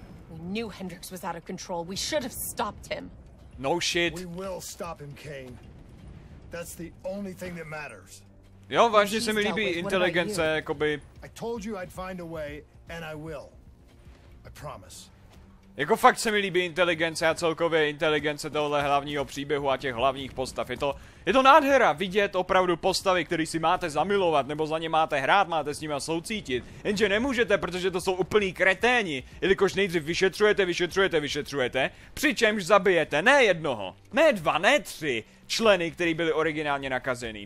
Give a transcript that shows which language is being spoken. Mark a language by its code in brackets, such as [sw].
[en] We knew Hendrix was out of control. We should have stopped him. No shit. We will stop him, Kane. That's the only thing that matters. [cs] Jo, vážně se mi líbí inteligence, jakoby. [en] I told you I'd find a way, and I will. I promise. [cs] Jako fakt se mi líbí inteligence a celkově inteligence tohle hlavního příběhu a těch hlavních postav. Je to nádhera vidět opravdu postavy, které si máte zamilovat, nebo za ně máte hrát, máte s nimi soucítit. Jenže nemůžete, protože to jsou úplný kreténi, jelikož nejdřív vyšetřujete, přičemž zabijete ne jednoho, ne dva, ne tři členy, který byli originálně nakazený.